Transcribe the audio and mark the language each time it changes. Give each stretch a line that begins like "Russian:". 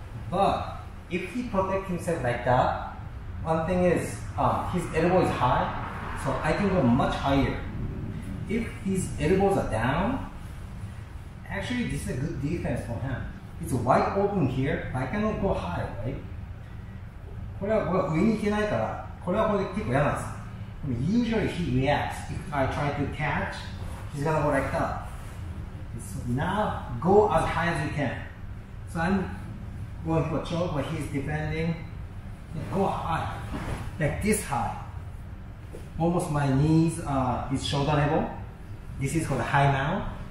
English: But if he protects himself like that, one thing is his elbow is high, so I can go much higher. If his elbows are down, actually this is a good defense for him. It's wide open here, but I cannot go high, right?
Japanese: これは上に行けないから、これはこれで結構嫌なんです。
English: I mean, usually he reacts. If I try to catch, he's gonna go like that. So now go as high as you can. So I'm going for choke, but he's defending. Yeah, go high, like this high. Almost my knees is shoulder level. This is called high mount.